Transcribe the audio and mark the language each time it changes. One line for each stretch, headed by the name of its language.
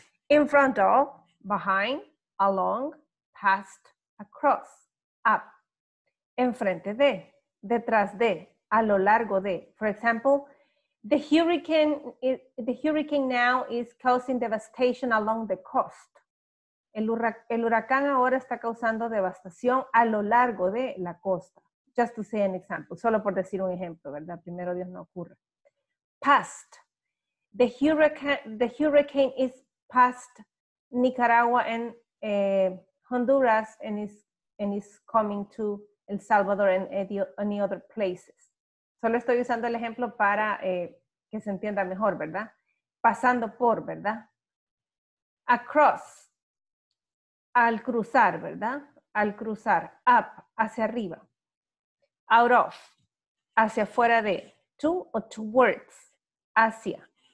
English: In front of, behind, along, past, across, up,
Spanish: Enfrente de, detrás de, a lo largo de.
English: For example, the hurricane now is causing devastation along the coast.
Spanish: El huracán ahora está causando devastación a lo largo de la costa.
English: Just to say an example,
Spanish: solo por decir un ejemplo, ¿verdad? Primero Dios no ocurre. Past.
English: The hurricane is past Nicaragua and Honduras and is coming to El Salvador and any other places.
Spanish: Solo estoy usando el ejemplo para que se entienda mejor, ¿verdad? Pasando por, ¿verdad? Across, al cruzar, ¿verdad? Al cruzar, up, hacia arriba. Out of, hacia fuera de, to or towards, hacia.